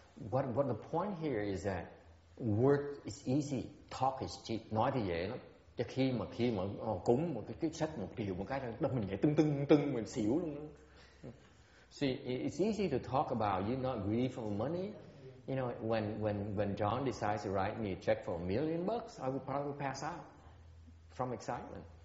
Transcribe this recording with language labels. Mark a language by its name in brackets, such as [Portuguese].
[English] What the point here is that work is easy, talk is cheap. [Vietnamese] Nói thì dễ lắm. Chứ khi mà cúng một cái sách một điều một cái đó mình nhảy tưng mình xỉu luôn đó. [English] See, it's easy to talk about you not greedy for money. You know, when John decides to write me a check for $1,000,000, I would probably pass out from excitement.